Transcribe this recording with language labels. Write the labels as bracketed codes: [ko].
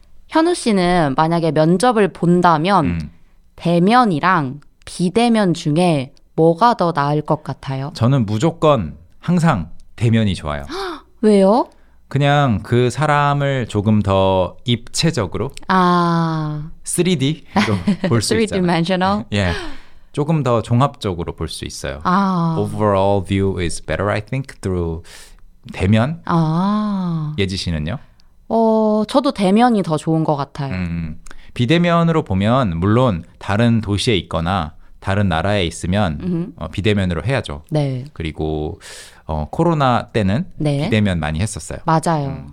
[ko] 현우 씨는 만약에 면접을 본다면 대면이랑 비대면 중에 뭐가 더 나을 것 같아요? 저는 무조건 항상 대면이 좋아요. 왜요? 그냥 그 사람을 조금 더 입체적으로 아. 3D로 볼 수 있잖아요. [en] 3D-dimensional? [ko] 예, [en] yeah. [ko] 조금 더 종합적으로 볼 수 있어요. 아. [en] Overall view is better, I think, through 대면. [ko] 아. 예지 씨는요? 저도 대면이 더 좋은 것 같아요. 비대면으로 보면 물론 다른 도시에 있거나 다른 나라에 있으면 mm-hmm. 비대면으로 해야죠. 네. 그리고 코로나 때는 네. 비대면 많이 했었어요. 맞아요.